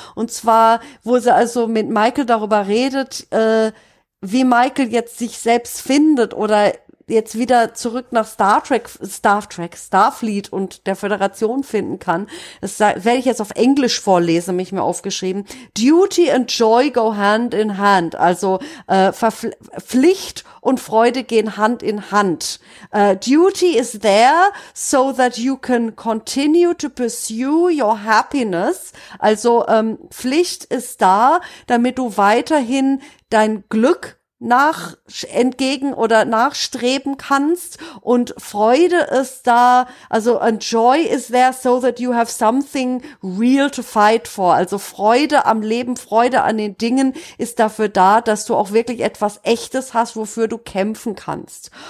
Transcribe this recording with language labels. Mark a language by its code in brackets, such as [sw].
[de] Und zwar, wo sie also mit Michael darüber redet, wie Michael jetzt sich selbst findet oder jetzt wieder zurück nach Starfleet und der Föderation finden kann. Das werde ich jetzt auf Englisch vorlesen, habe ich mir aufgeschrieben. [en] Duty and joy go hand in hand. [de] Also Pflicht und Freude gehen Hand in Hand. [en] Duty is there so that you can continue to pursue your happiness. [de] Also Pflicht ist da, damit du weiterhin dein Glück nachstreben kannst, und Freude ist da, also [en] and joy is there so that you have something real to fight for, [de] also Freude am Leben, Freude an den Dingen ist dafür da, dass du auch wirklich etwas Echtes hast, wofür du kämpfen kannst.